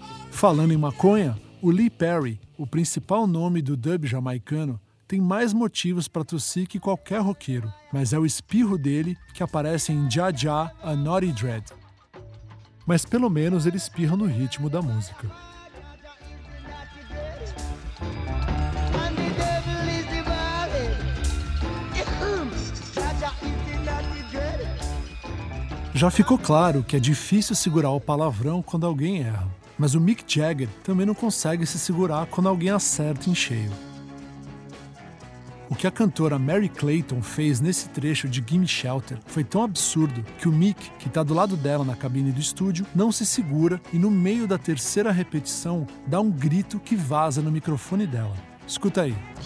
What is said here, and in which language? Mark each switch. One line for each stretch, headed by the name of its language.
Portuguese: Falando em maconha, o Lee Perry, o principal nome do dub jamaicano, tem mais motivos para tossir que qualquer roqueiro, mas é o espirro dele que aparece em Ja Ja, A Naughty Dread. Mas pelo menos ele espirra no ritmo da música.
English: And the devil is divided.
Portuguese: Já ficou claro que é difícil segurar o palavrão quando alguém erra. Mas o Mick Jagger também não consegue se segurar quando alguém acerta em cheio. O que a cantora Mary Clayton fez nesse trecho de Gimme Shelter foi tão absurdo que o Mick, que está do lado dela na cabine do estúdio, não se segura e no meio da terceira repetição dá um grito que vaza no microfone dela. Escuta aí.